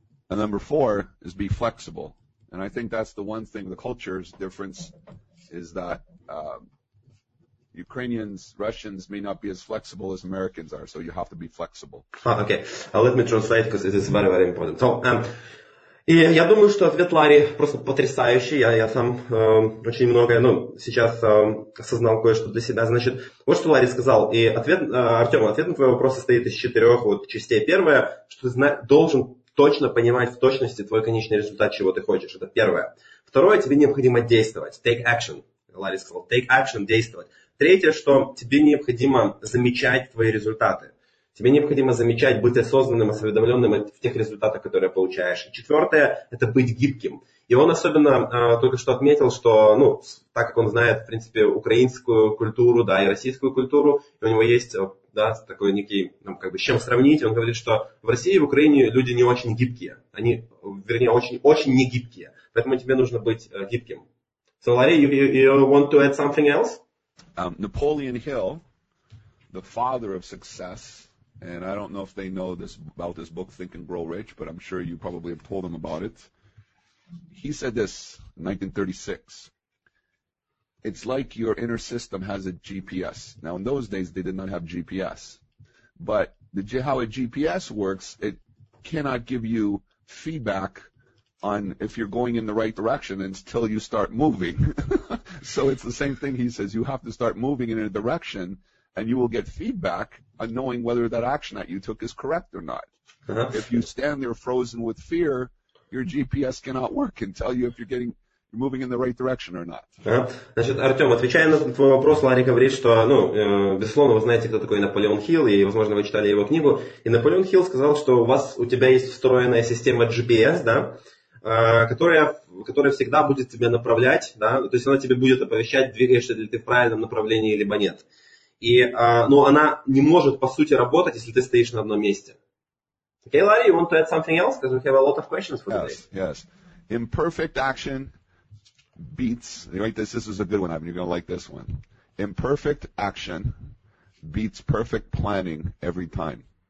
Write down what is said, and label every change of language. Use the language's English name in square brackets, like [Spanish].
[English] And number four is be flexible. And I think that's the one thing, the culture's difference is that Ukrainians, Russians may not be as flexible as Americans are, so you have to be flexible. Okay, let me translate, because this is very, very important. So, [Russian] и я думаю, что ответ Ларри просто потрясающий. Я сам очень многое, ну, сейчас осознал кое-что для себя. Значит, вот что Ларри сказал. И ответ, Артем, ответ на твой вопрос состоит из четырех вот частей. Первое, что ты должен точно понимать в точности твой конечный результат, чего ты хочешь. Это первое. Второе, тебе необходимо действовать. [English] Take action. [Russian] Ларри сказал, [English] take action, [Russian] действовать. Третье, что тебе необходимо замечать твои результаты. Тебе необходимо замечать, быть осознанным, осведомленным в тех результатах, которые получаешь. Четвертое, это быть гибким. И он особенно только что отметил, что, ну, так как он знает, в принципе, украинскую культуру, да, и российскую культуру, и у него есть, да, такой некий, там, как бы, с чем сравнить, он говорит, что в России и в Украине люди не очень гибкие. Они, вернее, очень-очень не гибкие. Поэтому тебе нужно быть гибким. [English] So, Larry, you want to add something else? Napoleon Hill, the father of success, and I don't know if they know this about this book, Think and Grow Rich, but I'm sure you probably have told them about it. He said this in 1936. It's like your inner system has a GPS. Now, in those days, they did not have GPS. But how a GPS works, it cannot give you feedback on if you're going in the right direction until you start moving. So it's the same thing. He says you have to start moving in a direction and you will get feedback on knowing whether that action that you took is correct or not. Uh-huh. If you stand there frozen with fear, your GPS cannot work and tell you if you're getting moving in the right direction or not. Uh-huh. [Russian] Значит, Артем, отвечая на твой вопрос, Ларри говорит, что, ну, безусловно, вы знаете, кто такой Наполеон Хилл, и, возможно, вы читали его книгу. И Наполеон Хилл сказал, что у тебя есть встроенная система GPS, да, которая всегда будет тебя направлять, да, то есть она тебе будет оповещать, двигаешься ли ты в правильном направлении, либо нет. Но она не может, по сути, работать, если ты стоишь на одном месте. [English] Okay, Larry, you want to add something else? Because we have a lot of questions for today. Yes. Imperfect action beats, right, this is a good one, Ivan, you're going to like this one. Imperfect action beats perfect planning every time.